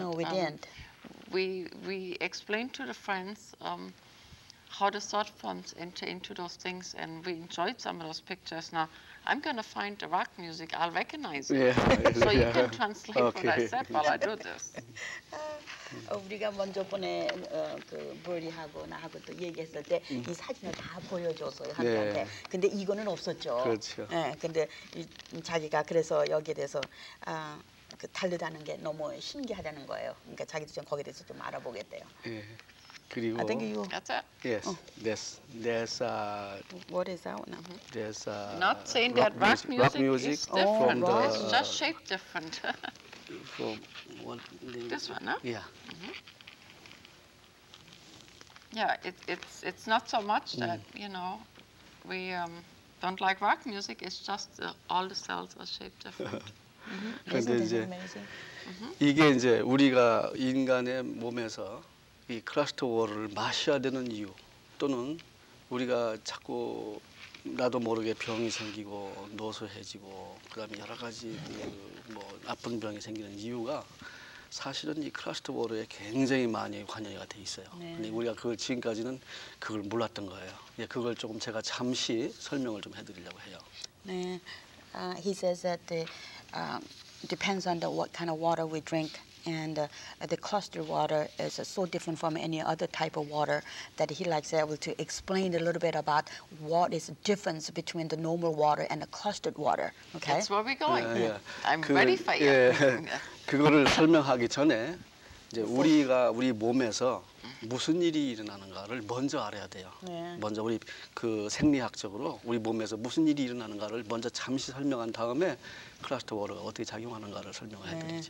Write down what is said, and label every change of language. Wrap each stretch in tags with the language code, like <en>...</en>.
<en>no, we didn't. We explained to the friends how the thought forms enter into those things, and we enjoyed some of those pictures. Now, I'm going to find the rock music. I'll recognize it. Yeah. So yeah. You can translate what I said while I do this.</en> <ko>우리가 먼저 번에 그 버디하고 나하고 또 얘기했을 때 이 사진을 다 보여줬어요 한테. 네. 근데 이거는 없었죠. 그렇죠. 네. 근데 자기가 그래서 여기에 대해서 그 달리다는 게 너무 신기하다는 거예요. 그러니까 자기도 좀 거기에 대해서 좀 알아보겠대요. 예. 네. 그리고.</ko> <en>I think you. That's it. Yes. That's What is that one? That's Not saying that rock music is different. From the, it's just shaped different. From this one, no? Yeah. Yeah, it's not so much that, you know, we don't like rock music, it's just all the cells are shaped different. Isn't it amazing?</en> <ko>이게 이제 우리가 인간의 몸에서 이 클러스터 워터를 마셔야 되는 이유 또는 우리가 자꾸 나도 모르게 병이 생기고 노쇠해지고 그다음에 여러 가지 뭐 나쁜 병이 생기는 이유가 사실은 이 클러스터 워드에 굉장히 많이 관여가 돼 있어요. 네. 근데 우리가 그걸 지금까지는 그걸 몰랐던 거예요. 예, 그걸 조금 제가 잠시 설명을 좀 해드리려고 해요.</ko> <en>네, he says that the depends on the what kind of water we drink. And the clustered water is so different from any other type of water that he likes to be able to explain a little bit about what is the difference between the normal water and the clustered water. Okay? That's where we're going. Yeah. I'm 그, ready for you.</en> <ko>예, 그거를 설명하기 전에 이제 우리가 우리 몸에서 무슨 일이 일어나는가를 먼저 알아야 돼요.</ko> <en>Yeah.</en> <ko>먼저 우리 그 생리학적으로 우리 몸에서 무슨 일이 일어나는가를 먼저 잠시 설명한 다음에 클러스터 워터가 어떻게 작용하는가를 설명해드리죠.</ko>